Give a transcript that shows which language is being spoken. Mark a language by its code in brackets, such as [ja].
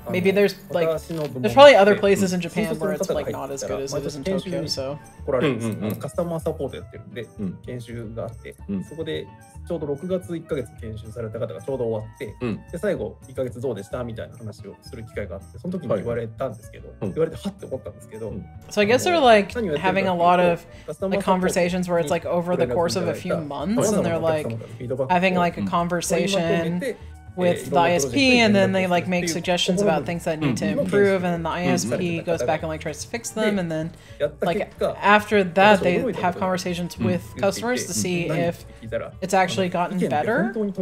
[en] Maybe there's like, there's probably other places in Japan where it's like not as good as it is in Tokyo, so. [ja] Customer support やってるんで、研修があって、そこでちょうど6月1ヶ月研修された方がちょうど終わって、で最後1ヶ月どうでしたみたいな話をする機会があって、その時に言われたんですけど、言われてはって思ったんですけど。 [en] So I guess they're like having a lot of like conversations where it's like over the course of a few months and they're like having like a conversation with the ISP and then they like make suggestions about things that need to improve and then the ISP goes back and like tries to fix them and then like after that they have conversations with customers to see if it's actually gotten better.